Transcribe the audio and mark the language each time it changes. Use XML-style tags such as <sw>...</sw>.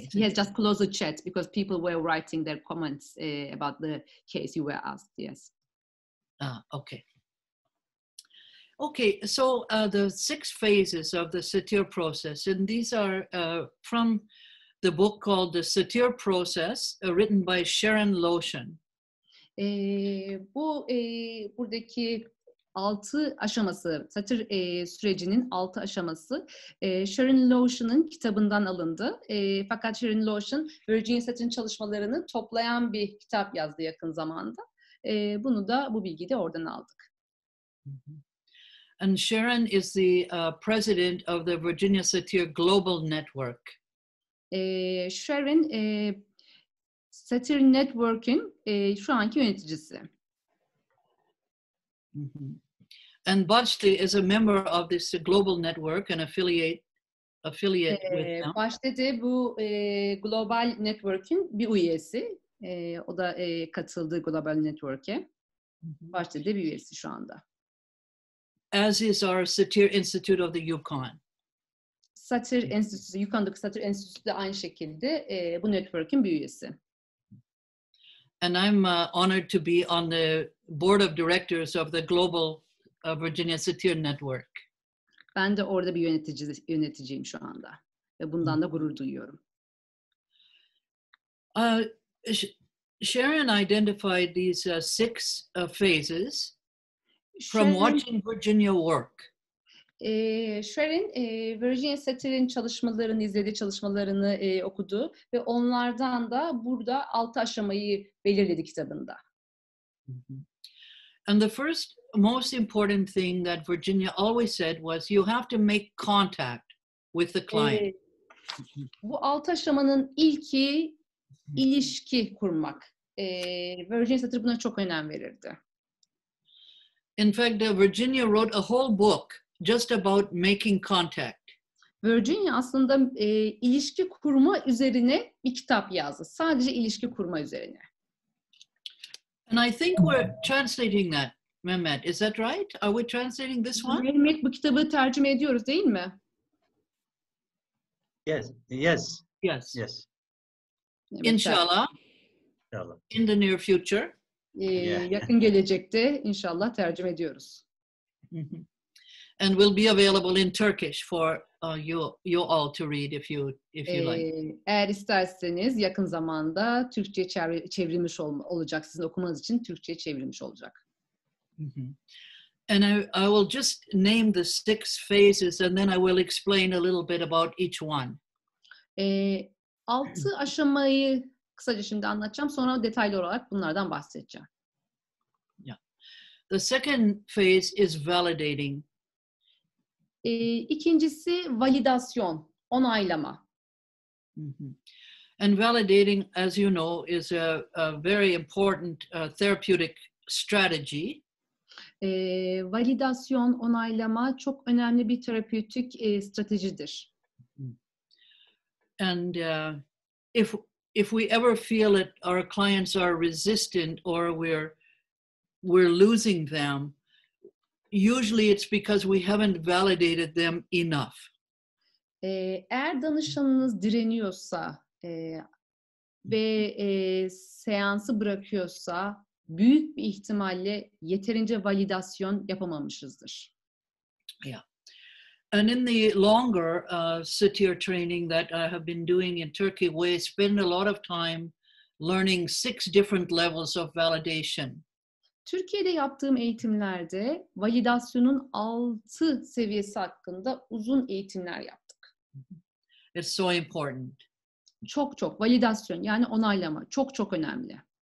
<en>yes, so he has just closed the chat because people were writing their comments about the case you were asked, yes. Okay. Okay, so the six phases of the Satir process, and these are from the book called The Satir Process, written by Sharon Lotion.</en> <tr>Bu buradaki altı aşaması, satır sürecinin altı aşaması Sharon Lotion'ın kitabından alındı. Fakat Sharon Lotion, Virginia Satir'in çalışmalarını toplayan bir kitap yazdı yakın zamanda. Bunu da, bu bilgiyi de oradan aldık.</tr> <en>And Sharon is the president of the Virginia Satir Global Network.</en> <tr>Sharon, Satir Network'in şu anki yöneticisi. Mm-hmm.</tr> <en>And Başti is a member of this global network and affiliate with them.</en> <tr>Başti de bu global network'in bir üyesi. O da katıldığı global network'e. Mm-hmm. Başti de bir üyesi şu anda.</tr> <en>as is our Satir Institute of the Yukon.</en> <tr>Satir Enstitüsü, Yukon'daki Satir Enstitüsü de aynı şekilde bu network'in bir üyesi.</tr> <en>And I'm honored to be on the board of directors of the Global Virginia Satir Network.</en> <tr>Ben de orada bir yöneticiyim şu anda ve bundan da gurur duyuyorum.</tr> <en>Sharon identified these six phases from watching Virginia work.</en> <tr>Sharon, Virginia Satir'in çalışmalarını izledi, çalışmalarını okudu ve onlardan da burada altı aşamayı belirledi kitabında.</tr> <en>And the first most important thing that Virginia always said was you have to make contact with the client.</en> <tr>Bu altı aşamanın ilki ilişki kurmak. Virginia Satir buna çok önem verirdi.</tr> <en>In fact, Virginia wrote a whole book just about making contact.</en> <tr>Virginia aslında ilişki kurma üzerine bir kitap yazdı. Sadece ilişki kurma üzerine.</tr> <en>And I think we're translating that, Mehmet. Is that right? Are we translating this one?</en> <tr>Mehmet, bu kitabı tercüme ediyoruz değil mi?</tr> <en>Yes.</en> <tr>Mehmet, İnşallah. İnşallah.</tr> <en>In the near future.</en> <tr>Yakın gelecekte inşallah tercüme ediyoruz.</tr> <en>And will be available in Turkish for you all to read if you like.</en> <tr>Eğer isterseniz yakın zamanda Türkçe çevrilmiş olacak, sizin okumanız için Türkçe çevrilmiş olacak.</tr> <en>And I will just name the six phases and then I will explain a little bit about each one.</en> <tr>Altı aşamayı kısaca şimdi anlatacağım, sonra detaylı olarak bunlardan bahsedeceğim.</tr> <en>The second phase is validating.</en> <tr>İkincisi validasyon, onaylama.</tr> <en>And validating, as you know, is a very important therapeutic strategy.</en> <tr>Validasyon, onaylama çok önemli bir terapötik stratejidir.</tr> <en>And if we ever feel that our clients are resistant or we're losing them, usually it's because we haven't validated them enough.</en> <tr>Eğer danışanınız direniyorsa ve seansı bırakıyorsa büyük bir ihtimalle yeterince validasyon yapamamışızdır.</tr> <en>Yeah. And in the longer Satir training that I have been doing in Turkey, we spend a lot of time learning six different levels of validation.</en> <tr>Türkiye'de yaptığım eğitimlerde validasyonun altı seviyesi hakkında uzun eğitimler yaptık.</tr> <en>It's so important.</en> <tr>Çok çok validasyon, yani onaylama çok çok önemli.</tr>